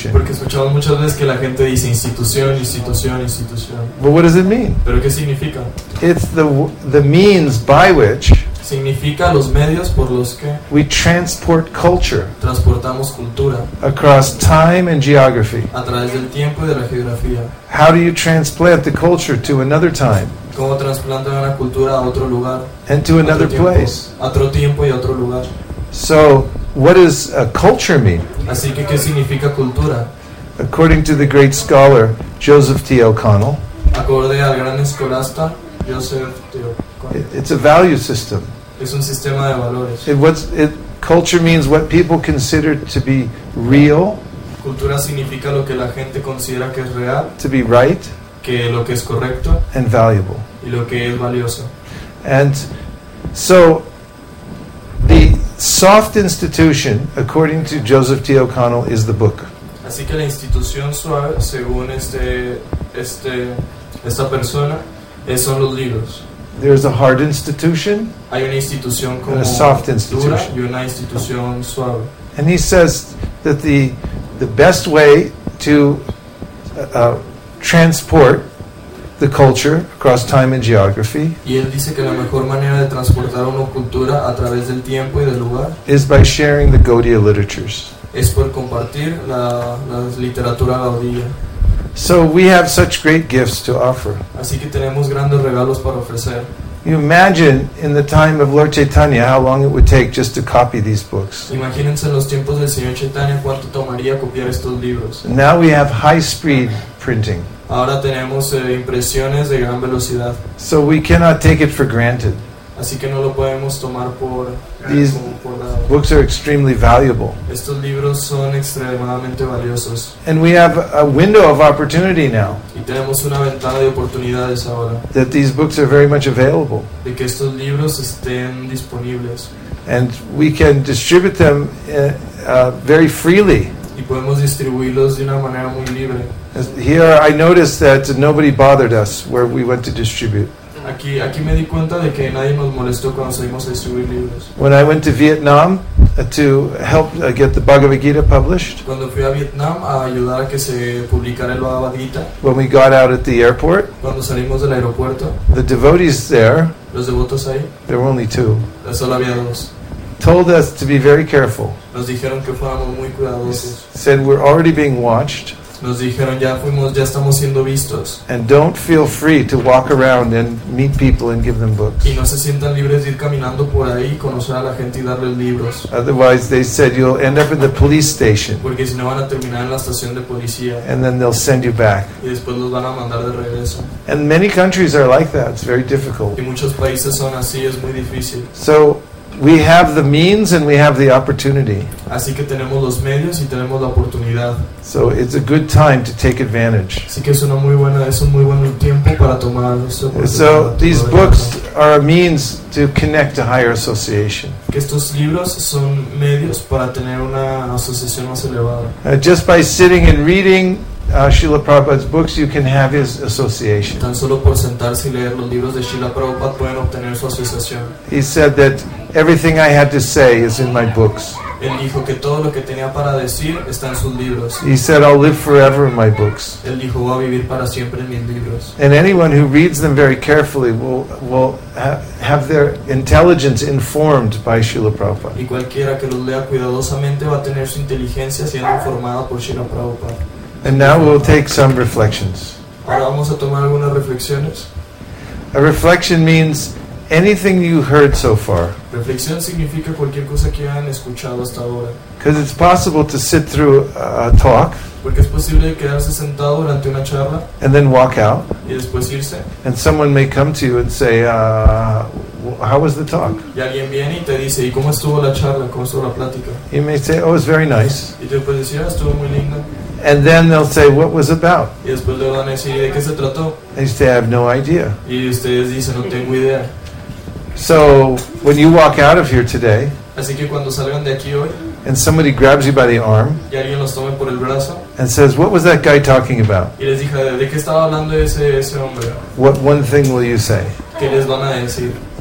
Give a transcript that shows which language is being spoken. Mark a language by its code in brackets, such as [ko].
[es] Porque escuchamos muchas veces que la gente dice institución. [en] But what does it mean? [es] ¿Pero qué significa? [en] It's the means by which [es] significa los medios por los que [en] we transport culture [es] transportamos cultura [en] across time and geography. [es] A través del tiempo y de la geografía. [en] How do you transplant the culture to another time? [es] Cómo trasplantar una cultura a otro lugar, [en] and to another [es] otro tiempo, [en] place. [es] Otro tiempo y otro lugar. [en] So, what does a culture mean? [es] Así que, ¿qué significa cultura? [en] According to the great scholar Joseph T. O'Connell, [es] acorde al gran escolasta Joseph T. O'Connell, [en] it's a value system. [es] Es un sistema de valores. [en] Culture means what people consider to be real. [es] Cultura significa lo que la gente considera que es real. [en] To be right. [es] Que lo que es correcto [en] and valuable. [es] Y lo que es valioso. [en] And so the soft institution, according to Joseph T. O'Connell, is the book. [es] Así que la institución suave, según esta persona, son los libros. [en] There's a hard institution. [es] Hay una institución como [en] and a soft institution. [es] Y una institución suave. [en] And he says that the best way to transport the culture across time and geography. [es] Y él dice que la mejor manera de transportar una cultura a través del tiempo y del lugar [en] is by sharing the Gaudiya literatures. [es] Es por compartir la literatura gaudia. [en] So we have such great gifts to offer. [es] Así que tenemos grandes regalos para ofrecer. [en] You imagine in the time of Lord Chaitanya how long it would take just to copy these books. [es] Imagínense en los tiempos del señor Chaitanya cuánto tomaría copiar estos libros. [en] Now we have high speed printing. [es] Ahora tenemos impresiones de gran velocidad. [en] So we cannot take it for granted. [es] Así que no lo podemos tomar por [en] these [es] por [en] books are extremely valuable. [es] Estos libros son extremadamente valiosos. [en] And we have a window of opportunity now. [es] Y tenemos una ventana de oportunidades ahora. [en] That these books are very much available. [es] De que estos libros estén disponibles. [en] And we can distribute them very freely. [es] Y podemos distribuirlos de una manera muy libre. [en] Here I noticed that nobody bothered us where we went to distribute. [es] Aquí me di cuenta de que nadie nos molestó cuando salimos a distribuir libros. [en] When I went to Vietnam to help get the Bhagavad Gita published. [es] Cuando fui a Vietnam a ayudar a que se publicara el Bhagavad Gita. [en] When we got out at the airport. [es] Cuando salimos del aeropuerto. [en] The devotees there. [es] Los devotos ahí. [en] There were only two. [es] Solo había dos. [en] Told us to be very careful. [es] Nos dijeron que fuéramos muy cuidadosos. [en] Said we're already being watched. [es] Nos dijeron ya estamos siendo vistos. [en] And don't feel free to walk around and meet people and give them books. [es] Y no se sientan libres de ir caminando por ahí y conocer a la gente y darles libros. [en] Otherwise they said you'll end up in the police station. [es] Porque si no van a terminar en la estación de policía. [en] And then they'll send you back. [es] Y después los van a mandar de regreso. [en] And many countries are like that. It's very difficult. [es] Y muchos países son así, es muy difícil. [en] So We have the means and we have the opportunity. [es] Así que tenemos los medios y tenemos la oportunidad. [en] So it's a good time to take advantage. [es] Así que es un muy buen tiempo para tomar. [en] So these books are a means to connect to higher association. [es] Que estos libros son medios para tener una asociación más elevada. [en] Just by sitting and reading Srila Prabhupada's books, you can have his association. [es] Tan solo por sentarse y leer los libros de Srila Prabhupada pueden obtener su asociación. [en] He said that everything I had to say is in my books. [es] Él dijo que todo lo que tenía para decir está en sus libros. [en] He said, "I'll live forever in my books." [es] Él dijo, "Voy a vivir para siempre en mis libros." [en] And anyone who reads them very carefully will have their intelligence informed by Srila Prabhupada. [es] Y cualquiera que los lea cuidadosamente va a tener su inteligencia siendo informada por Srila Prabhupada. [en] And now we'll take some reflections. [es] Ahora vamos a tomar algunas reflexiones. [en] A reflection means anything you heard so far. [es] Reflexión significa cualquier cosa que hayan escuchado hasta ahora. [en] Because it's possible to sit through a talk. [es] Porque es posible quedarse sentado durante una charla. [en] And then walk out. [es] Y después irse. [en] And someone may come to you and say, how was the talk? [es] Y alguien viene y te dice, ¿y cómo estuvo la charla? ¿Cómo estuvo la plática? [en] You may say, oh, it was very nice. [es] Y te puedes decir, estuvo muy linda. [en] And then they'll say, what was it about? [es] Y después le van a decir, ¿de qué se trató? [en] And you say, I have no idea. [es] Y ustedes dicen, no tengo idea. [en] So, when you walk out of here today, [es] así que cuando salgan de aquí hoy, [en] and somebody grabs you by the arm, [es] y alguien los tome por el brazo, [en] and says, what was that guy talking about? [es] Y les dije, ¿de qué estaba hablando ese hombre? [en] What one thing will you say? [es] ¿Qué les van a decir?